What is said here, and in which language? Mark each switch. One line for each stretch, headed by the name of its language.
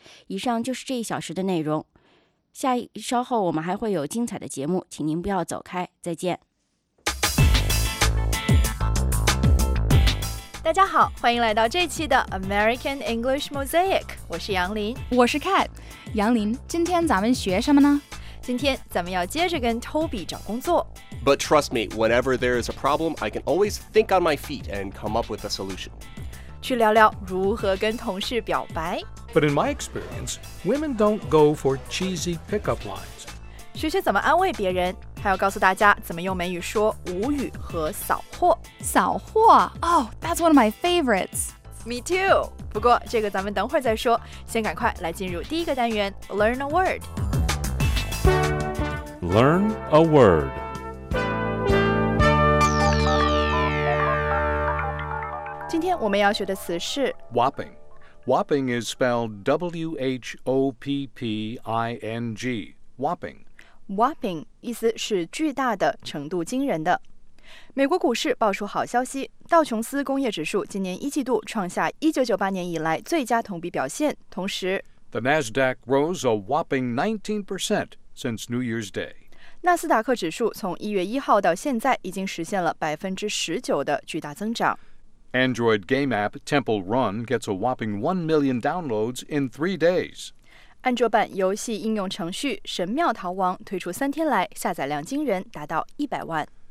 Chinese: 以上就是这一小时的内容。稍后我们还会有精彩的节目，请您不要走开，再见。大家好，欢迎来到这期的 American English Mosaic， 我是杨林。我是 Kat。杨林，今天咱们学什么呢？今天咱们要接着跟 Toby 找工作。
English: But trust me, whenever there is a problem, I can always think on my feet and come up with a solution.
Chinese: 去聊聊如何跟同事表白。
English: But in my experience, women don't go for cheesy pickup lines.
Chinese: 学学怎么安慰别人，还要告诉大家怎么用美语说无语和扫货。
English: 扫货？Oh, that's one of my favorites. Me too.
Chinese: 不过这个咱们等会儿再说，先赶快来进入第一个单元
English: Learn a word. Learn a word. Today, we're going to learn the word whopping. Whopping is spelled W-H-O-P-P-I-N-G. Whopping.
Chinese: Whopping 意思是巨大的，程度惊人的。美国股市爆出好消息，道琼斯工业指数今年一季度创下1998年以来最佳同比表现，同时
English: The Nasdaq rose a whopping 19% since New Year's Day.
Chinese: 纳斯达克指数从1月1号到现在已经实现了 19% 的巨大增长。
English: Android game app Temple Run gets a whopping 1 million downloads in 3 days.
Chinese: 安卓版游戏应用程序《神庙逃亡》推出三天来，下载量惊人，达到100万。